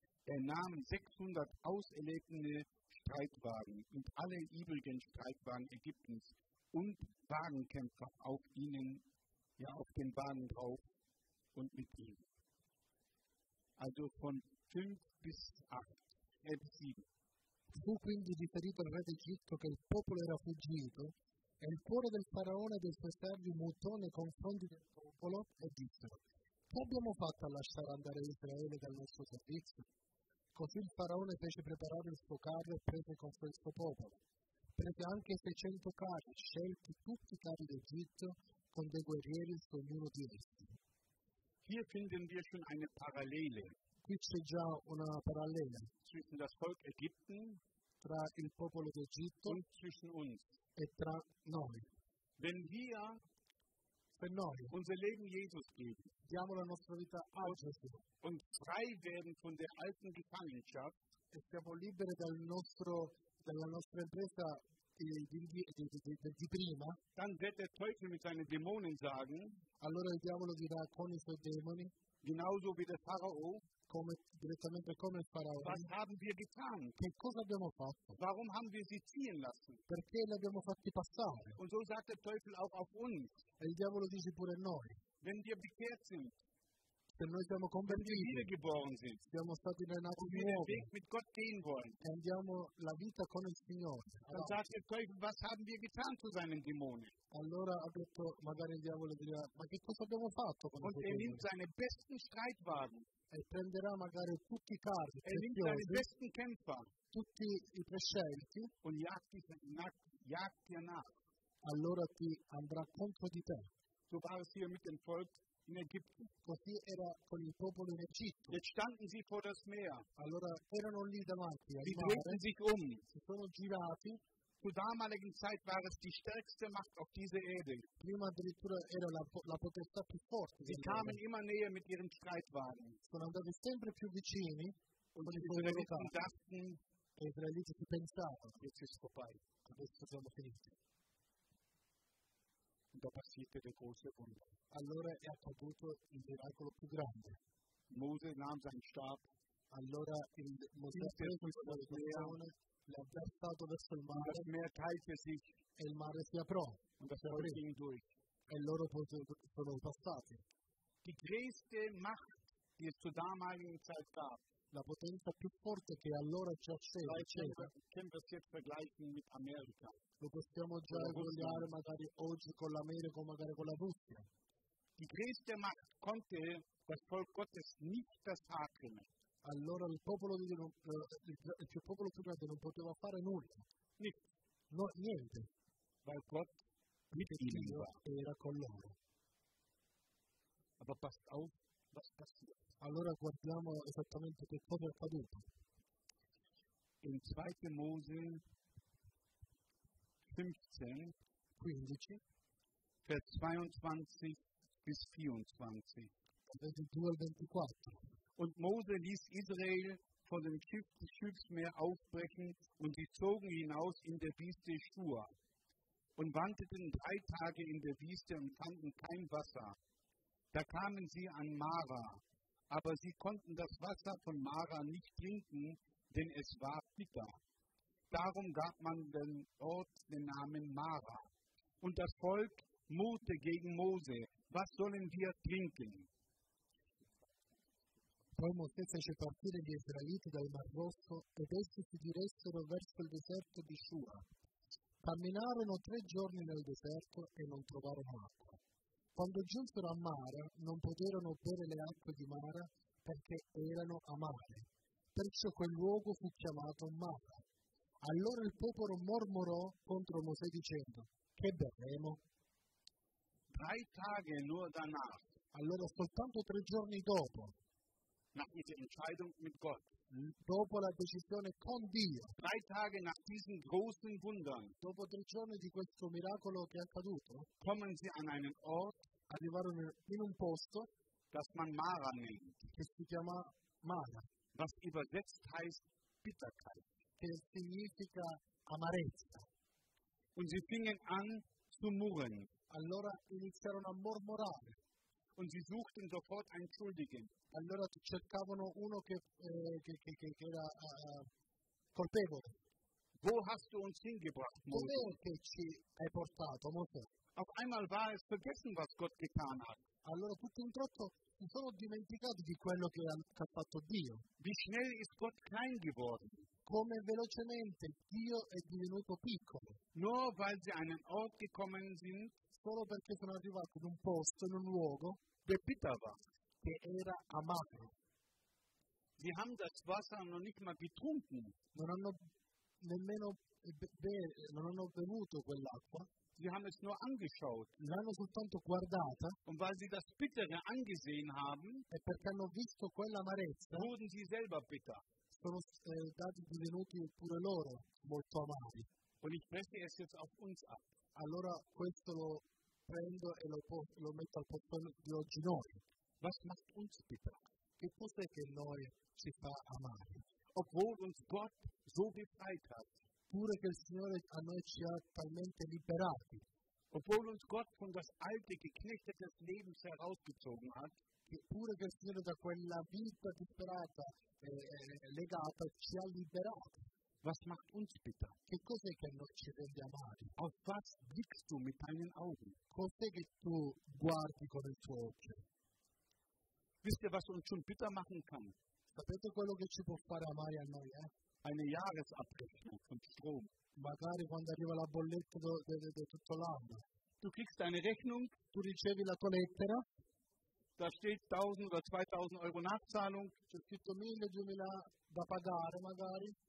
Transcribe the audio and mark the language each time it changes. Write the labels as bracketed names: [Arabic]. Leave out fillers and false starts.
[German] Er nahm 600 auserlegene Streitwagen und alle übrigen Streitwagen Ägyptens und Wagenkämpfer auf ihnen, ja auf den Wagen drauf und mit ihnen. Also von 5 bis 7. [Italian] Fu quindi riferito al re d'Egitto che il popolo era fuggito e il cuore del faraone e dei suoi servi mutò nei confronti del popolo e disse: che abbiamo fatto a lasciare andare Israele dal nostro servizio? Così il faraone fece preparare il suo carro e prese con sé il suo popolo. Prese anche 600 carri, scelti tutti i carri d'Egitto, con dei guerrieri su ognuno di essi. [German] Hier finden wir schon eine Parallele. [Italian] Qui c'è già una parallela. [German] Zwischen das Volk Ägypten, [Italian] tra il popolo d'Egitto [German] und zwischen uns. [Italian] E tra noi. [German] Wenn wir [Italian] per noi, [German] unser Leben Jesus geben, [Italian] diamo la nostra vita a Gesù, [German] und frei werden von der alten Gefangenschaft, [Italian] e siamo liberi dal nostro, dalla nostra impresa di prima, [German] dann wird der Teufel mit seinen Dämonen sagen, [Italian] allora il diavolo dirà con i suoi demoni, [German] genauso wie der Pharao, [Italian] come, direttamente come il Pharao, [German] was haben wir getan? [Italian] Che cosa abbiamo fatto? [German] Warum haben wir sie ziehen lassen? [Italian] Perché li abbiamo fatti passare? [German] Und so sagt der Teufel auch auf uns, [Italian] e il diavolo dice pure a noi. [German] Wenn wir bekehrt sind, [Italian] se noi siamo convertiti, [German] wenn wir geboren sind, [Italian] siamo stati nati di nuovo, [German] Weg mit Gott gehen wollen, [Italian] e andiamo la vita con il Signore. [German] Dann sagt der Teufel, was haben wir getan zu seinen Dämonen? [Italian] Allora ha detto, magari il diavolo dirà, ma che cosa abbiamo fatto con [German] Und er nimmt seine besten Streitwagen. [Italian] e prenderà magari tutti i carri e vincerà [German] i besten Kämpfer, [Italian] tutti i prescelti [German] und jagti nach, [Italian] allora ti andrà contro di te. [German] So war es hier mit dem Volk in Ägypten. [Italian] Così era con il popolo in Egitto. [German] Jetzt standen sie vor das Meer. [Italian] Allora erano lì davanti al [German] mare. Sie drehten sich um. [Italian] Si sono girati. [German] Zur damaligen Zeit war es die stärkste Macht auf dieser Erde. [Italian] Prima addirittura era la potestà più forte. [German] Sie kamen immer näher mit ihren Streitwagen. [Italian] Sono andati sempre più vicini. [German] Und die Israeliten dachten, [Italian] e Israeliten si pensavano, [German] jetzt ist es vorbei. [Italian] Adesso siamo finiti. [German] Und da passierte der große Wunder. [Italian] Allora è accaduto il miracolo più grande. [German] Mose nahm seinen Stab. [Italian] Allora il Mosè prese la versione, verso il mare. [German] Das Meer teilte sich. [Italian] E il mare si aprò. [German] Und das Meer ging durch. [Italian] E loro sono passati. [German] Die größte Macht, die es zur damaligen Zeit gab. [Italian] La potenza più forte che allora già c'era. Sempre si è [German] vergleichen mit [Italian] America. Lo possiamo già vogliare magari oggi con l'America o magari con la Russia. [German] Die größte Macht konnte das Volk Gottes nicht das Haar nehmen. [Italian] Allora il popolo più grande non poteva fare nulla. No, niente. [German] Weil Gott mit ihnen war. [Italian] Era con loro. [German] Aber passt auf, was passiert. [Italian] Allora guardiamo esattamente che cosa è accaduto. [German] In 2. Mose 15, vers 22 bis 24. [Italian] 22-24. [German] Und Mose ließ Israel von dem Schilfmeer aufbrechen und sie zogen hinaus in der Wüste Schur und wandelten 3 Tage in der Wüste und fanden kein Wasser. Da kamen sie an Mara, aber sie konnten das Wasser von Mara nicht trinken, denn es war bitter. Darum gab man dem Ort den Namen Mara. Und das Volk murrte gegen Mose: Was sollen wir trinken? [Italian] Poi Mosè fece partire gli Israeliti dal Mar Rosso ed essi si diressero verso il deserto di Shur. Camminarono 3 giorni nel deserto e non trovarono acqua. Quando giunsero a Mara, non poterono bere le acque di Mara perché erano amare. Perciò quel luogo fu chiamato Mara. Allora il popolo mormorò contro Mosè dicendo: Che berremo? [German] 3 Tage nur danach. [Italian] Allora soltanto 3 giorni dopo. [German] Nach dieser Entscheidung mit Gott. [Italian] Dopo la decisione con Dio. [German] 3 Tage nach diesen großen Wundern. [Italian] Dopo 3 giorni di questo miracolo che è accaduto. [German] Kommen sie an einen Ort. [Italian] Arrivarono in un posto. [German] Das man Mara nennt. [Italian] Che si chiama Mara. [German] Was übersetzt heißt Bitterkeit. [Italian] Che significa amarezza. [German] Und sie fingen an zu murren. [Italian] Allora iniziarono a mormorare. [German] Und sie suchten sofort einen Schuldigen. [Italian] Allora cercavano uno che era colpevole. [German] Wo hast du uns hingebracht, Mose? [Italian] Dov'è che ci hai portato, Mose? [German] Auf einmal war es vergessen, was Gott getan hat. [Italian] Allora tutto un tratto si sono dimenticati di quello che ha fatto Dio. [German] Wie schnell ist Gott klein geworden? [Italian] Come velocemente Dio è divenuto piccolo. [German] Nur weil sie einen Ort gekommen sind, [Italian] solo perché sono arrivati in un posto, in un luogo, [German] der bitter war. [Italian] Che era amaro. [German] Sie haben das Wasser noch nicht mal getrunken. [Italian] Non hanno nemmeno bevuto quell'acqua. [German] Sie haben es nur angeschaut. [Italian] L'hanno soltanto guardata. [German] Und weil sie das Bittere angesehen haben, [Italian] e perché hanno visto quell'amarezza, [German] wurden sie selber bitter. [Italian] Sono divenuti pure loro molto amari. [German] Und ich presse es jetzt auf uns ab. [Italian] Allora questo lo prendo e lo metto al posto di oggi noi. [German] Was macht uns bitter? [Italian] Che cos'è che noi ci fa amare? [German] Obwohl uns Gott so befreit hat. [Italian] Pure che il Signore a noi ci ha talmente liberati. [German] Obwohl uns Gott von das alte, geknechtete Leben herausgezogen hat. [Italian] Pure che il Signore da quella vita disperata, legata, ci ha liberati. [German] Was macht uns bitter? [Italian] Che cos'è che noi ci rende amare? [German] Auf was blickst du mit deinen Augen? [Italian] Cos'è che tu guardi con il tuo occhio? [German] Wisst ihr, was uns schon bitter machen kann? [Italian] Sapete quello che ci può fare amare a noi, eh? [German] Eine Jahresabrechnung von Strom. [Italian] Magari quando arriva la bolletta di tutto l'anno. [German] Du kriegst deine Rechnung. [Italian] Tu ricevi la tua lettera. [German] da steht 1000 oder 2000 Euro Nachzahlung. [Italian] C'è scritto 1000-2000 da pagare magari.